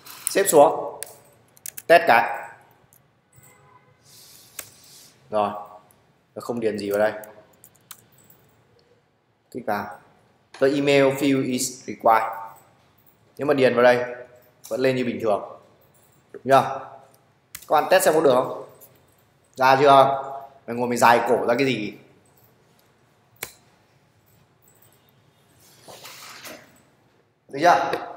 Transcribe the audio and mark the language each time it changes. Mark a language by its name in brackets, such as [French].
[Vietnamese] Xếp xuống, test cái. Rồi, nó không điền gì vào đây. Click vào. [English] The email field is required. [Vietnamese] Nếu mà điền vào đây, vẫn lên như bình thường. Đúng chưa? Các bạn test xem có được không? Ra chưa? Mày ngồi mày dài cổ ra cái gì? Được chưa?